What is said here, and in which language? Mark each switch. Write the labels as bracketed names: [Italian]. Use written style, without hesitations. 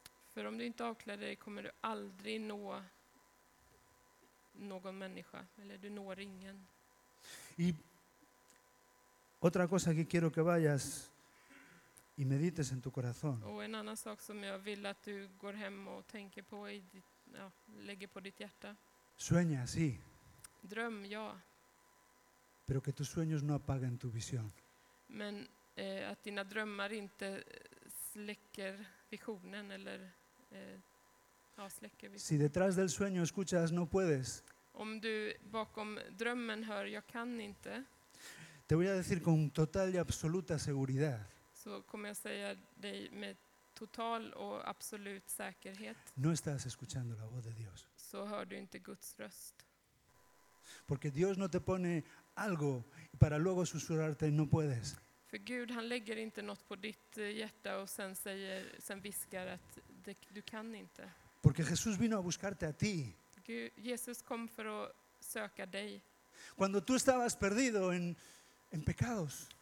[Swedish] För om du inte avkläder dig kommer du aldrig nå någon människa, eller du når ingen. [Spanish] Y otra cosa que quiero que vayas y medites en tu corazón. [Swedish] Och en annan sak som jag vill att du går hem och tänker på i ditt, ja, lägger på ditt hjärta. [Spanish] Sueña, sí. [Swedish] Dröm, ja. [Spanish] Pero que tus sueños no apaguen tu visión. [Swedish] Men att dina drömmar inte släcker visionen eller släcker visionen. [Spanish] Si detrás del sueño escuchas no puedes. [Swedish] Om du bakom drömmen hör jag kan inte. [Spanish] Te voy a decir con total y absoluta seguridad. [Swedish] Så kommer jag säga dig med total och absolut säkerhet. [Spanish] No estás escuchando la voz de Dios. [Swedish] Så hör du inte Guds röst. [Spanish] Porque Dios no te pone algo para luego susurrarte no puedes. [Swedish] För Gud han lägger inte något på ditt hjärta och sen säger, sen viskar att du kan inte. [Spanish] Porque Jesús vino a buscarte a ti. [Swedish] Jesus kom för att söka dig. [Spanish] Cuando tú estabas perdido en pecados.